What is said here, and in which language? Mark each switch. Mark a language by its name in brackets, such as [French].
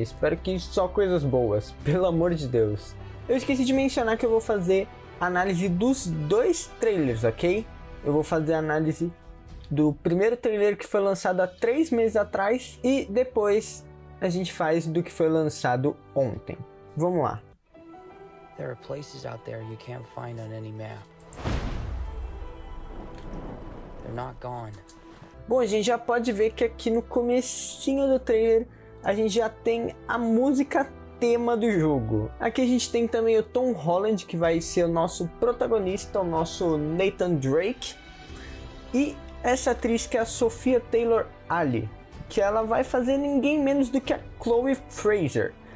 [Portuguese] Espero que só coisas boas, pelo amor de Deus. Eu esqueci de mencionar que eu vou fazer análise dos dois trailers, ok? Eu vou fazer análise do primeiro trailer que foi lançado há 3 meses atrás e depois a gente faz do que foi lançado ontem. Vamos lá. [English] There are places out there you can't find on any map. They're not gone. [Portuguese] Bom, a gente já pode ver que aqui no comecinho do trailer a gente já tem a música tema do jogo. Aqui a gente tem também o Tom Holland, que vai ser o nosso protagonista, o nosso Nathan Drake, e essa atriz que é a Sophia Taylor Ali, que ela vai fazer ninguém menos do que a Chloe Fraser.